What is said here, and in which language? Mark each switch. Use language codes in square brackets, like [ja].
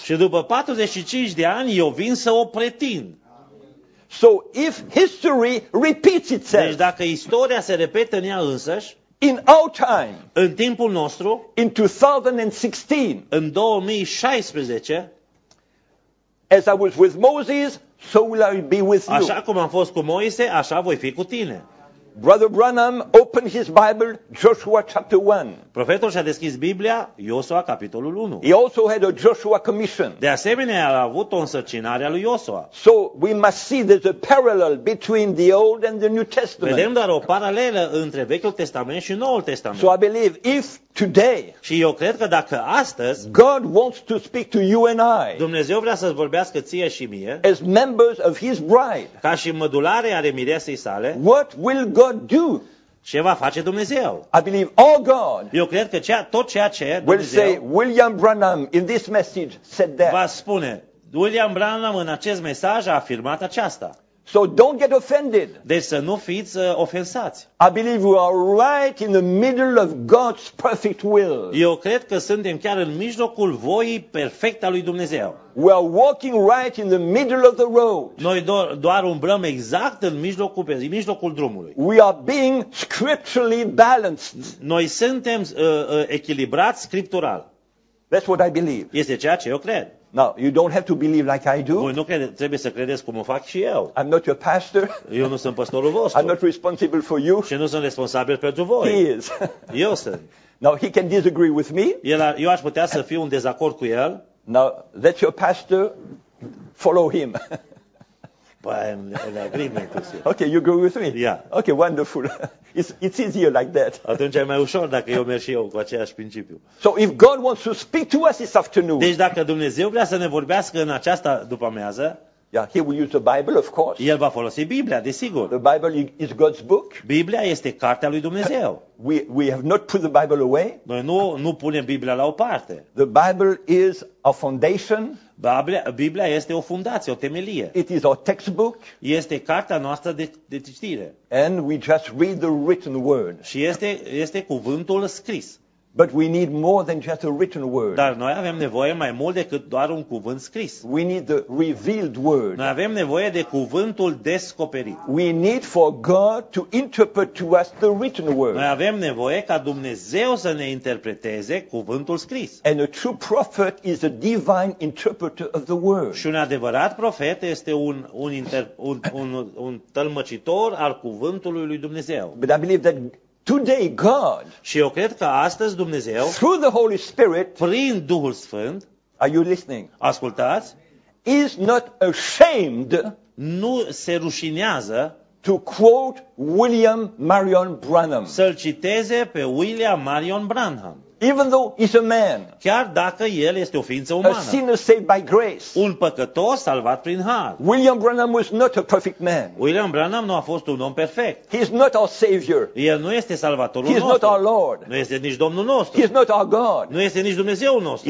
[ro] Și după 45 de ani eu vin să o pretind. [en] So if history repeats itself. [ro] Deci dacă istoria se repetă în ea însăși, [en] in our time. [ro] În timpul nostru, [en] in 2016. [ro] În 2016. [en] As I was with Moses, so will I be with you. [ro] Așa cum am fost cu Moise, așa voi fi cu tine. [en] Brother Branham opened his Bible, Joshua chapter 1. [ro] Profetul și-a deschis Biblia, Iosua capitolul 1. [en] He also had a Joshua commission. [ro] De asemenea, a avut o însărcinare a lui Iosua. [en] So we must see there's a parallel between the Old and the New Testament. [ro] Vedem doar o paralelă între Vechiul Testament și Noul Testament. [en] So I believe if today, [ro] și eu cred că dacă astăzi, [en] God wants to speak to you and I, [ro] Dumnezeu vrea să-ți vorbească ție și mie, [en] as members of his bride, [ro] ca și mădulare ale mireasei sale, [en] what will God do? [ro] Ce va face Dumnezeu? [en] I believe all God. [ro] Eu cred că tot ceea ce Dumnezeu [en] will say, William Branham in this message said that. [ro] Va spune, William Branham în acest mesaj a afirmat aceasta. [en] So don't get offended. [ro] Deci să nu fiți ofensați. [en] I believe we are right in the middle of God's perfect will. [ro] Eu cred că suntem chiar în mijlocul voii perfecte a lui Dumnezeu. [en] We are walking right in the middle of the road. [ro] Noi doar umblăm exact în mijlocul drumului. [en] We are being scripturally balanced. [ro] Noi suntem echilibrați scriptural. [en] That's what I believe. [ro] Este ceea ce eu cred. [en] Now, you don't have to believe like I do. [ro] Voi nu trebuie să credeți cum o fac și eu. [en] I'm not your pastor. [ro] Eu nu sunt pastorul vostru. [en] I'm not responsible for you. [ro] Și nu sunt responsabil pentru voi. [en] He is. [ro] Eu sunt. [en] Now, he can disagree with me. [ro] Eu aș putea să fiu în dezacord cu el. [en] Now, that's your pastor. Follow him. Păi, I'm in agreement with you. Okay, you agree with me? Yeah. Okay, wonderful. It's easier like that. [ro] Atunci e mai ușor dacă eu merg și eu cu aceeași principiu. [en] So if God wants to speak to us this afternoon. [ro] Deci dacă Dumnezeu vrea să ne vorbească în această după-amiază, [en] yeah, he will use the Bible, of course. [ro] El va folosi Biblia, desigur. [en] The Bible is God's book. [ro] Biblia este cartea lui Dumnezeu. [en] We have not put the Bible away. [ro] Noi nu punem Biblia la o parte. [en] The Bible is a foundation. [ro] Biblia este o fundație, o temelie. [en] It is our textbook. [ro] Este cartea noastră de citire. [en] And we just read the written word. [ro] Și este cuvântul scris. [en] But we need more than just a written word. [ro] Dar noi avem nevoie mai mult decât doar un cuvânt scris. [en] We need the revealed word. [ro] Noi avem nevoie de cuvântul descoperit. [en] We need for God to interpret to us the written word. [ro] Noi avem nevoie ca Dumnezeu să ne interpreteze cuvântul scris. [en] And a true prophet is a divine interpreter of the word. [ro] Și un adevărat profet este un tălmăcitor al cuvântului lui Dumnezeu. [en] But I believe that today God. [ro] Și eu cred că astăzi Dumnezeu. [en] Through the Holy Spirit. [ro] Prin Duhul Sfânt. [en] Are you listening? [ro] Ascultați. [en] is not ashamed [ro] nu se rușinează [en] to quote William Marion Branham. [ro] Să-l citeze pe William Marion Branham. [en] Even though he's a man. [ro] Chiar dacă el este o ființă umană. [en] A sinner saved by grace. [ro] Un păcător salvat prin har. [en] William Branham was not a perfect man. [ro] William Branham nu a fost un om perfect. [en] He is not our savior. [ro] El nu este salvatorul nostru. [en] He is not our lord. [ro] Nu este nici Domnul nostru. [en] He is not our god. [ro] Nu este nici Dumnezeul nostru.